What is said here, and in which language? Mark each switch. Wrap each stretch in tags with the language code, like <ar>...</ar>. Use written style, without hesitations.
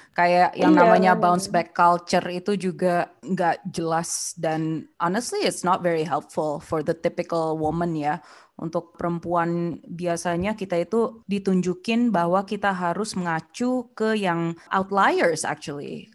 <id>Kayak yang namanya bounce back culture itu juga gak jelas.</id> <en>Dan honestly, it's not very helpful for the typical woman ya.</en> <id>Untuk perempuan biasanya kita itu ditunjukin bahwa kita harus mengacu ke yang outliers</id> <en>actually.</en>